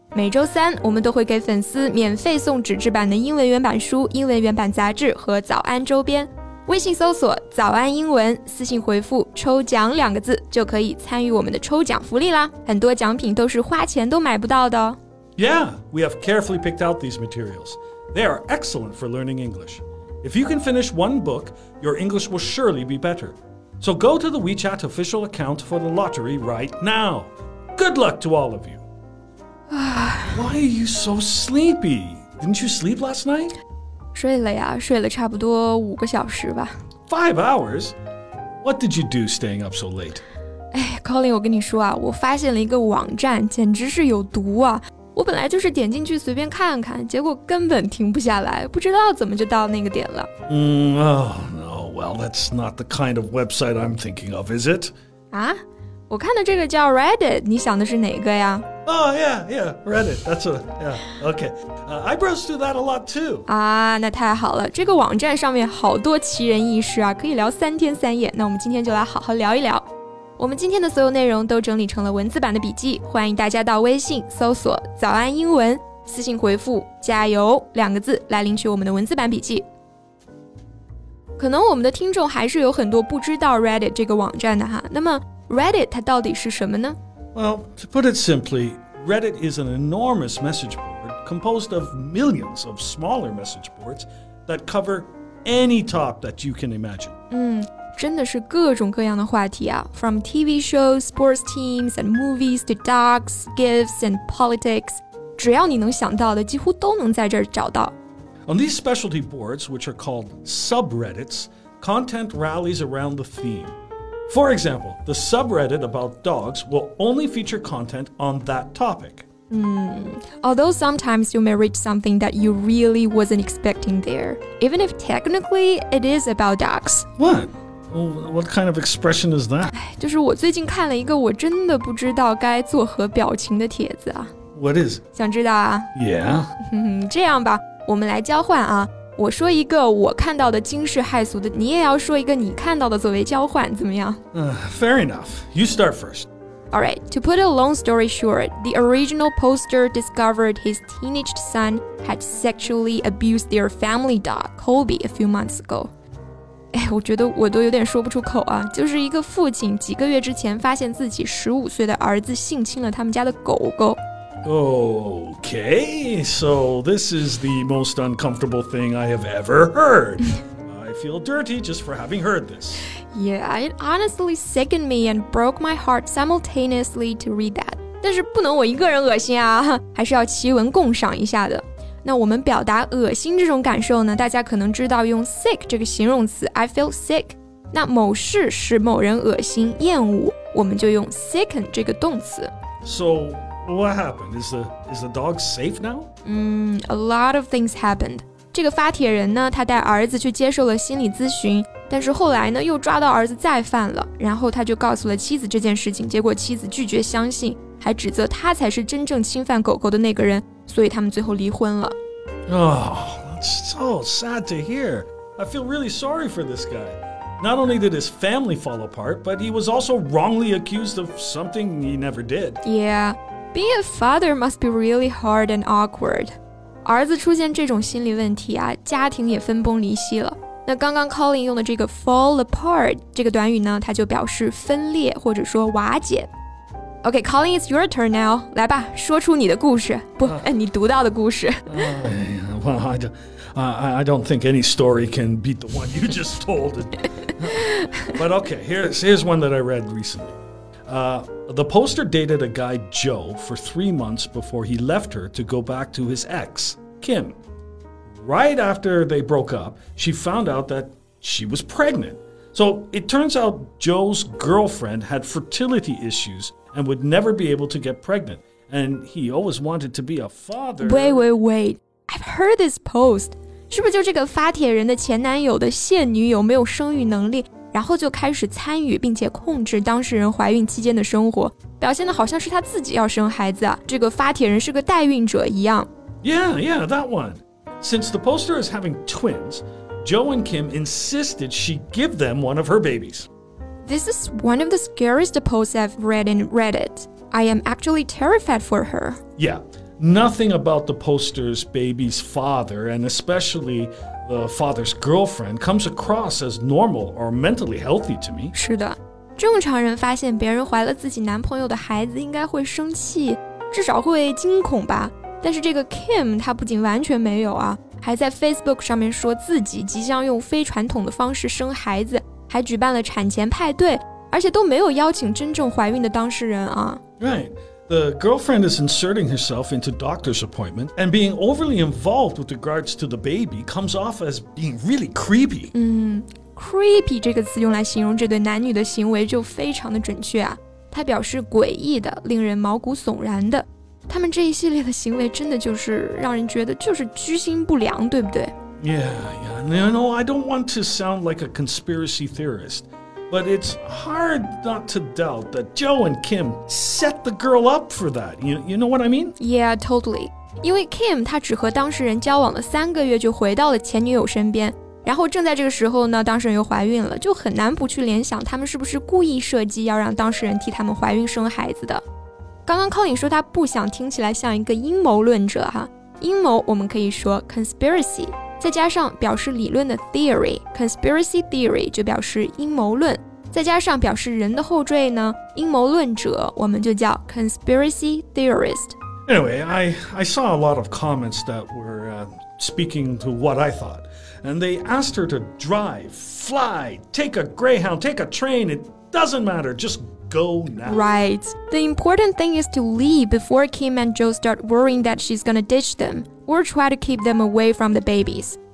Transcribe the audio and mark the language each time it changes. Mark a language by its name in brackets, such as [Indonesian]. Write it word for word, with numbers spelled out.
[Chinese] 每周三我们都会给粉丝免费送纸质版的英文原版书、英文原版杂志和早安周边。微信搜索早安英文，私信回复抽奖两个字就可以参与我们的抽奖福利啦。很多奖品都是花钱都买不到的哦。 [English] Yeah, we have carefully picked out these materials. They are excellent for learning English. If you can finish one book, your English will surely be better. So go to the WeChat official account for the lottery right now. Good luck to all of you. Why are you so sleepy? Didn't you sleep last night? [Chinese] 睡了呀，睡了差不多五个小时吧。 [English] Five hours? What did you do staying up so late? [Chinese] 哎 Colin, 我跟你说啊，我发现了一个网站，简直是有毒啊。我本来就是点进去随便看看，结果根本停不下来，不知道怎么就到那个点了。 [English] Mm, oh no, well, that's not the kind of website I'm thinking of, is it? [Chinese] 啊，我看的这个叫 Reddit， 你想的是哪个呀？ [English] Oh, yeah, yeah, Reddit, that's a, yeah, okay. Uh, I browse through that a lot too. [Chinese] 啊，那太好了，这个网站上面好多奇人异事啊，可以聊三天三夜，那我们今天就来好好聊一聊。我们今天的所有内容都整理成了文字版的笔记，欢迎大家到微信搜索早安英文，私信回复加油两个字来领取我们的文字版笔记。可能我们的听众还是有很多不知道 Reddit 这个网站的哈，那么 Reddit 它到底是什么呢？ [English] Well, to put it simply, Reddit is an enormous message board composed of millions of smaller message boards that cover any topic that you can imagine. [Chinese] 嗯，真的是各种各样的话题啊 [English] ，from T V shows, sports teams and movies to dogs, gifts and politics. [Chinese] 只要你能想到的，几乎都能在这儿找到。 [English] On these specialty boards, which are called subreddits, content rallies around the theme. For example, the subreddit about dogs will only feature content on that topic. Mm, although sometimes you may reach something that you really wasn't expecting there, even if technically it is about dogs. What? What kind of expression is that? [Chinese] 就是我最近看了一个我真的不知道该作何表情的帖子啊。 [English] What is it? [Chinese] 想知道啊 [English] Yeah. [Chinese] 这样吧，我们来交换啊。我说一个我看到的惊世骇俗的，你也要说一个你看到的作为交换，怎么样？ [English] Uh, fair enough. You start first. All right. To put a long story short, the original poster discovered his teenage son had sexually abused their family dog, Kobe, a few months ago. [Chinese] 哎，我觉得我都有点说不出口啊。就是一个父亲几个月之前发现自己十五岁的儿子性侵了他们家的狗狗。 [English] Okay, so this is the most uncomfortable thing I have ever heard. I feel dirty just for having heard this. Yeah, it honestly sickened me and broke my heart simultaneously to read that. [Chinese] 但是不能我一个人恶心啊，还是要奇闻共赏一下的。那我们表达恶心这种感受呢，大家可能知道用 sick 这个形容词 [English] I feel sick. [Chinese] 那某事使某人恶心、厌恶，我们就用 sicken 这个动词。 [English] So... What happened? Is the, is the dog safe now? Mm, a lot of things happened. [Chinese] 这个发帖人呢，他带儿子去接受了心理咨询，但是后来呢，又抓到儿子再犯了，然后他就告诉了妻子这件事情，结果妻子拒绝相信，还指责他才是真正侵犯狗狗的那个人，所以他们最后离婚了。 [English] Oh, that's so sad to hear. I feel really sorry for this guy. Not only did his family fall apart, but he was also wrongly accused of something he never did. Yeah, being a father must be really hard and awkward. [Chinese] 儿子出现这种心理问题啊，家庭也分崩离析了。那刚刚 Colin 用的这个 fall apart 这个短语呢，它就表示分裂或者说瓦解。 [English] Okay, Colin, it's your turn now. [Chinese] 来吧，说出你的故事，不，你读到的故事。 [English] Well, I don't, I don't think any story can beat the one you just told. But okay, here's, here's one that I read recently. Uh, the poster dated a guy, Joe, for three months before he left her to go back to his ex, Kim. Right after they broke up, she found out that she was pregnant. So it turns out Joe's girlfriend had fertility issues and would never be able to get pregnant. And he always wanted to be a father. Wait, wait, wait. I've heard this post. [Chinese] 是不是就这个发帖人的前男友的现女友没有生育能力，然后就开始参与并且控制当事人怀孕期间的生活，表现得好像是他自己要生孩子啊，这个发帖人是个代孕者一样。 [English] Yeah, yeah, that one. Since the poster is having twins, Joe and Kim insisted she give them one of her babies. This is one of the scariest posts I've read in Reddit. I am actually terrified for her. Yeah, nothing about the poster's baby's father, and especially the father's girlfriend, comes across as normal or mentally healthy to me. [Chinese] 是的，正常人发现别人怀了自己男朋友的孩子应该会生气，至少会惊恐吧。但是这个 Kim 她不仅完全没有啊，还在 Facebook 上面说自己即将用非传统的方式生孩子，还举办了产前派对，而且都没有邀请真正怀孕的当事人啊。 [English] Right. The girlfriend is inserting herself into doctor's appointment, and being overly involved with regards to the baby comes off as being really creepy. [Chinese] 嗯 creepy 这个词用来形容这对男女的行为就非常的准确啊，它表示诡异的，令人毛骨悚然的。他们这一系列的行为真的就是让人觉得就是居心不良，对不对？ [English] Yeah, yeah. You know, I don't want to sound like a conspiracy theorist, but it's hard not to doubt that Joe and Kim set the girl up for that. You, you know what I mean? Yeah, totally. [Chinese] 因为 Kim 她只和当事人交往了三个月就回到了前女友身边，然后正在这个时候呢，当事人又怀孕了，就很难不去联想他们是不是故意设计要让当事人替他们怀孕生孩子的。刚刚 Colin 说他不想听起来像一个阴谋论者哈，阴谋我们可以说 conspiracy， 再加上表示理论的 theory， conspiracy theory 就表示阴谋论，再加上表示人的后缀呢，阴谋论者我们就叫 conspiracy theorist。 [English] Anyway, I, I saw a lot of comments that were、uh, speaking to what I thought, and they asked her to drive, fly, take a Greyhound, take a train, it doesn't matter, just go now. Right. The important thing is to leave before Kim and Joe start worrying that she's gonna ditch them or try to keep them away from the babies.